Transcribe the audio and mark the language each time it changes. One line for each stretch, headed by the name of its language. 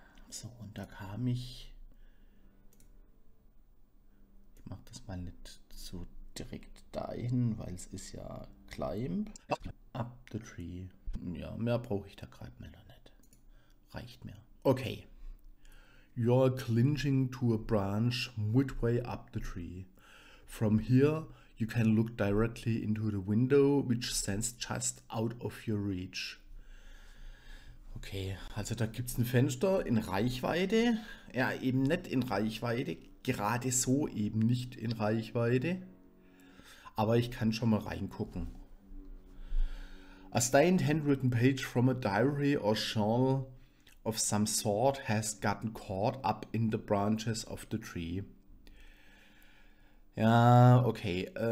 German: So, und da kam ich. Ich mache das mal nicht so direkt dahin, weil es ist ja
English: Climb. Up the tree.
German: Ja, mehr brauche ich da gerade mal noch nicht. Reicht mir. Okay.
English: You're clinging to a branch midway up the tree. From here you can look directly into the window, which stands just out of your reach.
German: Okay, also da gibt es ein Fenster in Reichweite. Ja, eben nicht in Reichweite. Gerade so eben nicht in Reichweite. Aber ich kann schon mal reingucken.
English: A stained handwritten page from a diary or journal of some sort has gotten caught up in the branches of the tree. Ja, okay.